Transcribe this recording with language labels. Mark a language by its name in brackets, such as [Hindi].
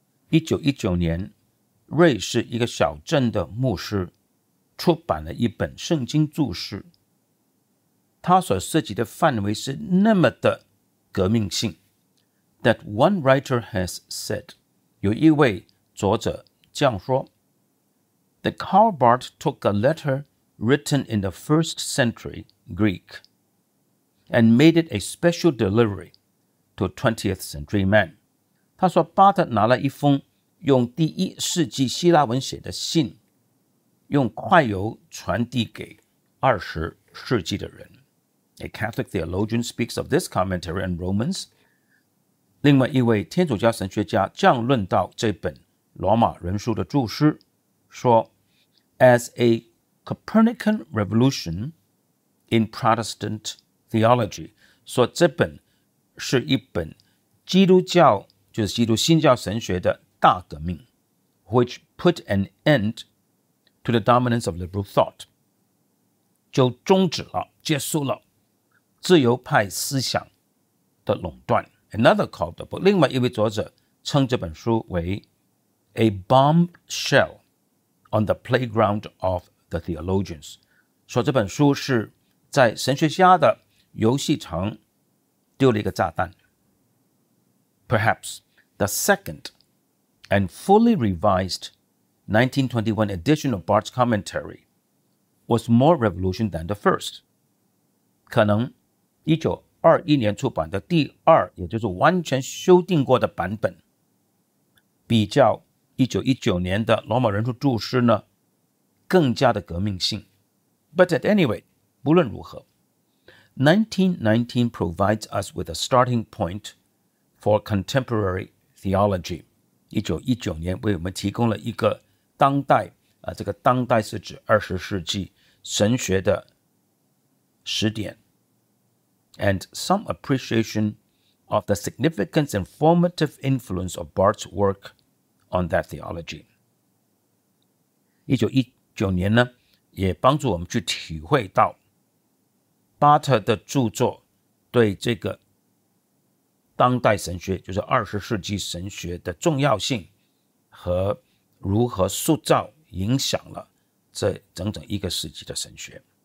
[Chinese] 1919年，瑞士一个小镇的牧师出版了一本圣经注释，他所涉及的范围是那么的革命性 [English] that one writer has said, [Chinese] 有一位作者这样说 [English] The Karl Barth took a letter written in the first century Greek and made it a special delivery to 20th century men. [Chinese] 他说巴特拿了一封用第一世纪希腊文写的信用快邮传递给二十世纪的人。 [English] A Catholic theologian speaks of this commentary on Romans. [Chinese] 另外一位天主教神学家这样论到这本《罗马人书》的注释，说 ： [English] “As a Copernican revolution in Protestant theology， [Chinese] 说这本是一本基督教，就是基督新教神学的大革命 ， [English] which put an end to the dominance of liberal thought， [Chinese] 就终止了、结束了自由派思想的垄断。” [English] Another called the book, [Chinese] 另外一位作者称这本书为 [English] A bombshell on the playground of the theologians, [Chinese] 说这本书是在神学家的游戏场丢了一个炸弹。 [English] Perhaps the second and fully revised 1921 edition of Barth's commentary was more revolution than the first. [Chinese] 可能1921年出版的第二，也就是完全修订过的版本，比较1919年的罗马人书注释呢，更加的革命性。 [English] But at any rate, [Chinese] 不论如何， [English] 1919 provides us with a starting point for contemporary theology. [Chinese] 1919年为我们提供了一个当代，这个当代是指20世纪神学的始点。 [English] And some appreciation of the significance and formative influence of Barth's work on that theology. [Chinese] 1919年呢，也帮助我们去体会到巴特的著作对这个当代神学，就是20世纪神学的重要性和如何塑造影响了这整整一个世纪的神学。